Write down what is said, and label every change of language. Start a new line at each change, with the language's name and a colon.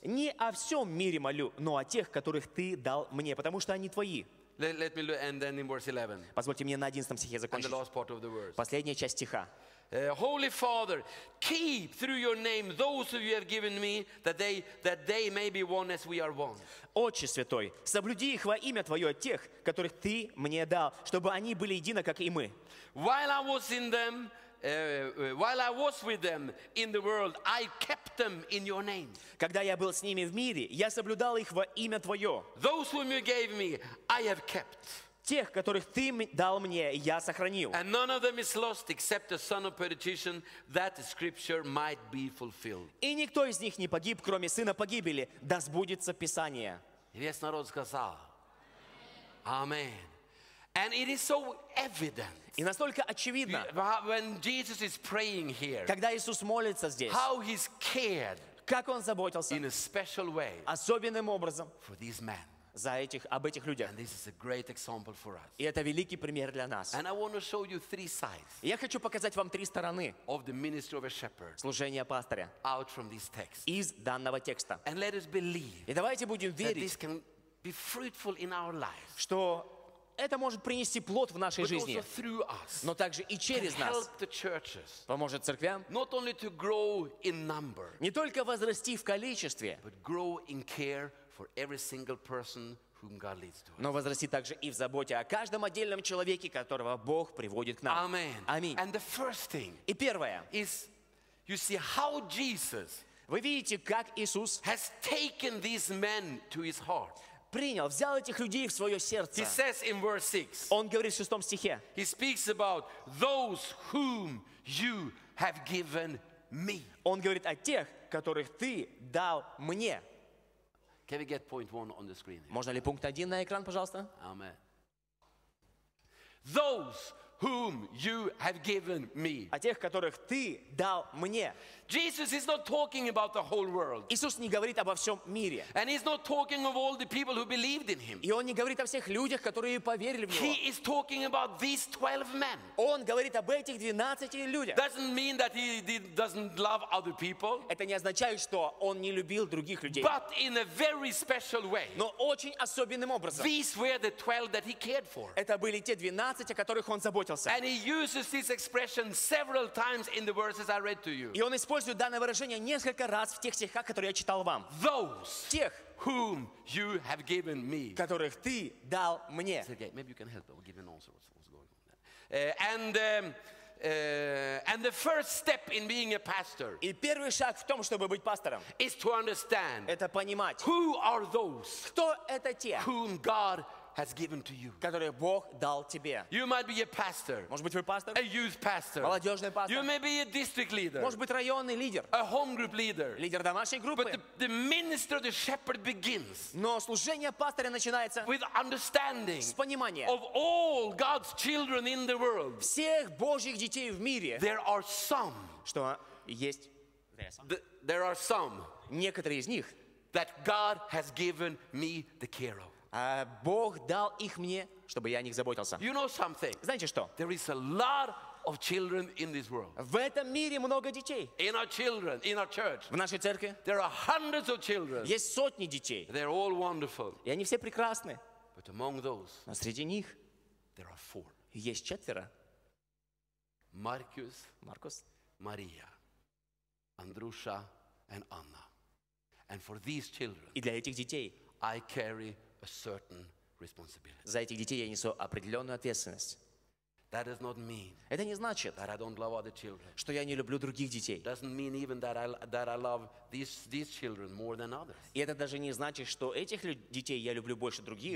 Russian: Не о всем мире молю, но о тех, которых ты дал мне, потому что они твои.
English: Let me end then in verse 11.
Russian: Позвольте мне на 11 стихе закончить.
English: And the last part of the verse.
Russian: Последняя часть стиха.
English: Holy Father, keep through your name those who you have given me, that they may be one as we are one.
Russian: Отче святой, соблюди их во имя твое тех, которых ты мне дал, чтобы они были едины, как и мы.
English: While I was in them, while I was with them in the world, I kept them in your name.
Russian: Когда я был с ними в мире, я соблюдал их во имя твое.
English: Those whom you gave me, I have kept.
Russian: Тех, которых ты дал мне, я сохранил.
English: And none of them is lost except the son of perdition, that the scripture might be fulfilled.
Russian: И никто из них не погиб, кроме сына погибели, да сбудется Писание. И весь народ сказал: Аминь.
English: And it is so evident.
Russian: И настолько очевидно.
English: When Jesus is praying here.
Russian: Когда Иисус молится здесь.
English: How he's cared.
Russian: Как он заботился.
English: In a special way.
Russian: Особенным образом.
English: For these men.
Russian: За этих, об этих людях.
English: And this is a great example for us.
Russian: И это великий пример для нас.
English: And I want to show you three sides.
Russian: Я хочу показать вам три стороны
English: of the ministry of a shepherd.
Russian: Служения пастыря.
English: Out from this text.
Russian: Из данного текста.
English: And let us believe.
Russian: И давайте будем верить.
English: That this can be fruitful in our lives.
Russian: Что это может принести плод в нашей жизни.
English: But also through us.
Russian: Но также и через нас.
English: Can help the churches.
Russian: Поможет церквям.
English: Not only to grow in number.
Russian: Не только возрасти в количестве.
English: But grow in care for every single person whom God leads to us.
Russian: Но возрасти также и в заботе о каждом отдельном человеке, которого Бог приводит к нам.
English: Amen.
Russian: Аминь.
English: And the first thing.
Russian: И первое.
English: Is you see how Jesus.
Russian: Вы видите, как Иисус
English: has taken these men to his heart.
Russian: Принял, взял этих людей в свое сердце.
English: He says in verse 6.
Russian: Он говорит в 6 стихе.
English: He speaks about those whom you have given me.
Russian: Он говорит о тех, которых ты дал мне.
English: Can we get point one on the screen?
Russian: Можно ли пункт один на экран, пожалуйста?
English: Amen. Those whom you have given me.
Russian: О тех, которых ты дал мне.
English: Jesus is not talking about the whole world.
Russian: Иисус не говорит обо всем мире.
English: And he's not talking of all the people who believed in him.
Russian: И он не говорит о всех людях, которые поверили в него.
English: He is talking about these 12 men.
Russian: Он говорит об этих 12 людях.
English: Doesn't mean that he doesn't love other people.
Russian: Это не означает, что он не любил других людей.
English: But in a very special way.
Russian: Но очень особенным образом.
English: These were the 12 that he cared for.
Russian: Это были те 12, о которых он заботился.
English: And he uses this expression several times in the verses I read to you.
Russian: Использую данное выражение несколько раз в тех стихах, которые я читал вам.
English: Those,
Russian: тех,
English: whom you have given me,
Russian: которых ты дал мне.
English: Сергей, maybe you can help, but we'll give an answer what's going on there. And the first step in being a pastor.
Russian: И первый шаг в том, чтобы быть пастором.
English: Is to understand.
Russian: Это понимать.
English: Who are those?
Russian: Кто это те?
English: Whom God has given to you.
Russian: Которые Бог дал тебе.
English: You might be a pastor.
Russian: Может быть, вы пастор?
English: A youth pastor.
Russian: Молодежный пастор.
English: You may be a district leader.
Russian: Может быть, районный лидер.
English: A home group leader.
Russian: Лидер домашней группы.
English: But the minister, the shepherd begins.
Russian: Но служение пастора начинается
English: with understanding
Russian: с понимания
English: of all God's children in the world.
Russian: Всех Божьих детей в мире.
English: There are some.
Russian: Что есть?
English: There are some.
Russian: Некоторые из них
English: that God has given me the care of.
Russian: Бог дал их мне, чтобы я о них заботился.
English: You know something?
Russian: Знаете что?
English: There is a lot of children in this world.
Russian: В этом мире много детей.
English: In our children, in our church.
Russian: В нашей церкви.
English: There are hundreds of children.
Russian: Есть сотни детей.
English: They're all wonderful.
Russian: И они все прекрасны.
English: But among those.
Russian: Но среди них.
English: There are four.
Russian: Есть четверо.
English: Marcus.
Russian: Маркус.
English: Мария. Андруша and Анна. And for these children.
Russian: И для этих детей.
English: I carry a certain responsibility.
Russian: За этих детей я несу определенную ответственность. Это не значит,
English: that I don't love other children.
Russian: Что я не люблю других детей.
English: Doesn't mean even that I love these children more than others.
Russian: И это даже не значит, что этих детей я люблю больше других.